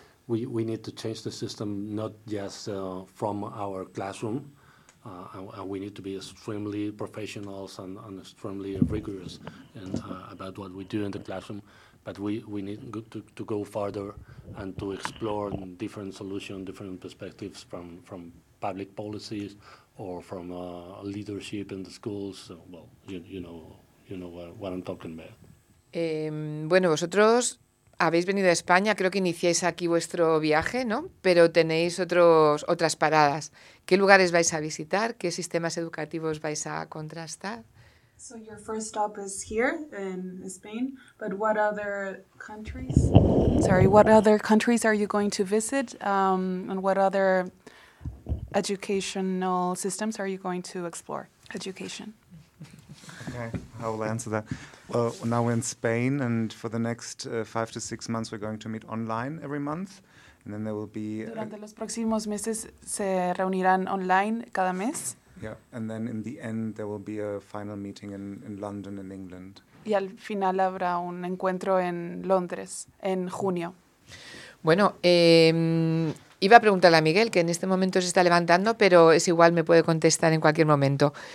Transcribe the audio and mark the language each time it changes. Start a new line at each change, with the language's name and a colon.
English: we need to change the system, not just from our classroom, and we need to be extremely professionals and extremely rigorous in, about what we do in the classroom, but we need to go further and to explore different solutions, different perspectives from public policies or from leadership in the schools. So, well, you know what I'm talking about.
Spanish: Bueno, vosotros habéis venido a España, creo que iniciáis aquí vuestro viaje, ¿no? Pero tenéis otras paradas. ¿Qué lugares vais a visitar? ¿Qué sistemas educativos vais a contrastar?
English: So your first stop is here in Spain, but what other countries? Sorry, what other countries are you going to visit? And what other educational systems are you going to explore? Education. Okay, I will answer that. Well, now we're in Spain, and for the next 5 to 6 months, we're going to meet online every month, and then there will be...
Spanish: Durante los próximos meses se reunirán online cada mes.
English: Yeah, and then in the end, there will be a final meeting in London, in England.
Spanish: Y al final habrá un encuentro en Londres, en junio. Bueno, iba a preguntarle a Miguel, que en este momento se está levantando, pero es igual, me puede contestar en cualquier momento.